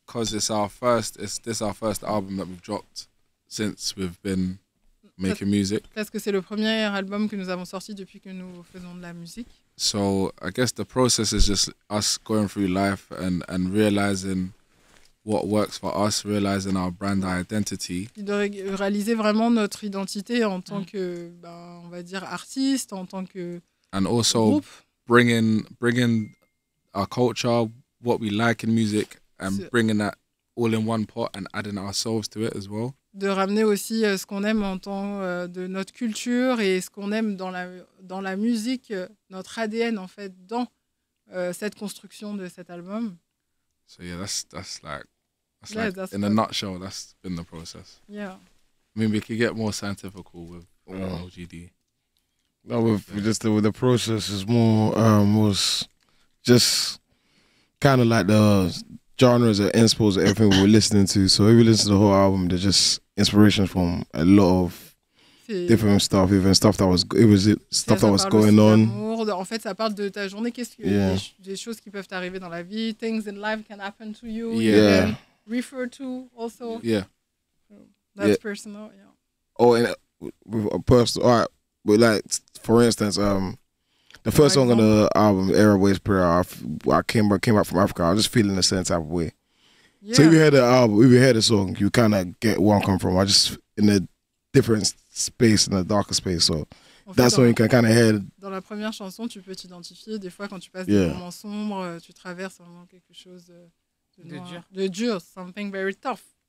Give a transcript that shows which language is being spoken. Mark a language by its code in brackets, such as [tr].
[en] Because it's our first album that we've dropped since we've been making music. [fr] Parce que c'est le premier album que nous avons sorti depuis que nous faisons de la musique. [en] So I guess the process is just us going through life and realizing what works for us, realizing our brand identity. [fr] De réaliser vraiment notre identité en tant que, ben, on va dire, artiste, en tant que [en] and also groupe. bringing our culture, what we like in music, and bringing that all in one pot and adding ourselves to it as well. [fr] de ramener aussi ce qu'on aime en tant de notre culture et ce qu'on aime dans la musique, notre ADN en fait, dans cette construction de cet album. [en] So yeah, that's in a nutshell, that's been the process. Yeah. I mean, we could get more scientific with OGD. No, with the process is more was just kind of like the genres or inspos of everything we're listening to. So if you listen to the whole album, they're just inspirations from a lot of different stuff, even stuff that was going on. [fr] En fait, ça parle de ta journée. Qu'est-ce que des choses qui peuvent t'arriver dans la vie? [en] Things in life can happen to you. Yeah. You can refer to also. Yeah. That's personal. Yeah. Oh, and with a personal. All right. But like, for instance, the first song on the album, "Arab Ways Prayer," I came back from Africa. I was just feeling the same type of way. Yeah. So if you heard the album, if you heard the song, you kind of get where I'm coming from. I just in a different space, in a darker space. So that's when you can kind of hear. [fr] Dans la première chanson, tu peux t'identifier. Des fois, quand tu passes des moments sombres, tu traverses vraiment quelque chose de dur, [en] something very tough.